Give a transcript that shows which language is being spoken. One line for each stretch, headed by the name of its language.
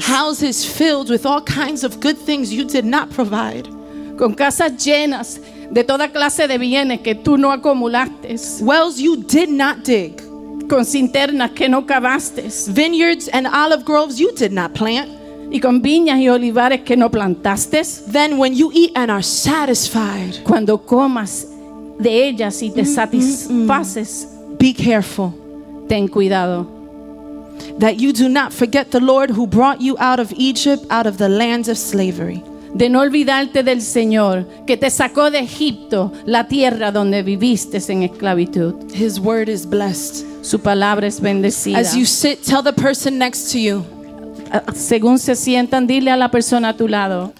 English: Houses filled with all kinds of good things you did not provide.
Spanish: Con casas llenas de toda clase de bienes que tú no acumulaste.
English: Wells you did not dig.
Spanish: Con cisternas que no cavaste.
English: Vineyards and olive groves you did not plant.
Spanish: Y con viñas y olivares que no plantaste.
English: Then when you eat and are satisfied.
Spanish: Cuando comas de ellas y te satisfaces.
English: Be careful.
Spanish: Ten cuidado.
English: That you do not forget the Lord who brought you out of Egypt, out of the land of slavery.
Spanish: De no olvidarte del Señor que te sacó de Egipto, la tierra donde viviste en esclavitud.
English: His word is blessed.
Spanish: Su palabra es bendecida.
English: As you sit, tell the person next to you.
Spanish: Según se sientan, dile a la persona a tu lado.